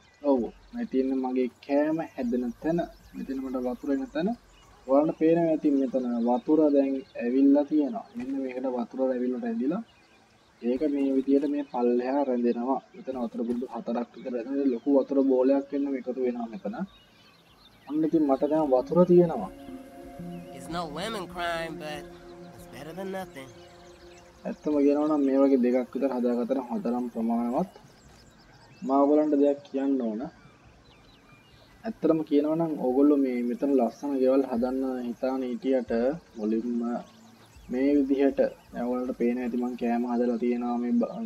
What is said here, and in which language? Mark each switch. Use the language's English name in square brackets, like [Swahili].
[Sinhala] ඔව් මේ තියෙන මගේ කෑම හැදෙන තැන මෙතන මට වතුර එන තැන ඔයාලට පේනවා. ඉතින් මෙතන වතුර දැන් ඇවිල්ලා තියෙනවා. මෙන්න මේකට වතුර ඇවිල්ලා රැඳිලා ඒක මේ විදියට මේ පල්ලෙහා රැඳෙනවා. මෙතන වතුර බුද්ධ හතරක් විතර රැඳෙනවා. ලොකු වතුර බෝලයක් වෙනම එකතු වෙනවා මෙතන. අන්න ඉතින් මට දැන් වතුර තියෙනවා. [English] It's not lemon crime but better than nothing. [Sinhala] ඇත්තම කියනවා නම් මේ වගේ දෙකක් විතර හදාගත්තら හතරම් ප්‍රමාණවත්. මම ඔයගලන්ට දෙයක් කියන්න ඕන. ඇත්තටම කියනවා නම් ඕගොල්ලෝ මේ මෙතන ලස්සන ගෙවල් හදන්න හිතාන හිටියට මුලින්ම මේ විදිහට ඔයගලන්ට පේන ඇති මං කෑම හදලා තියෙනවා.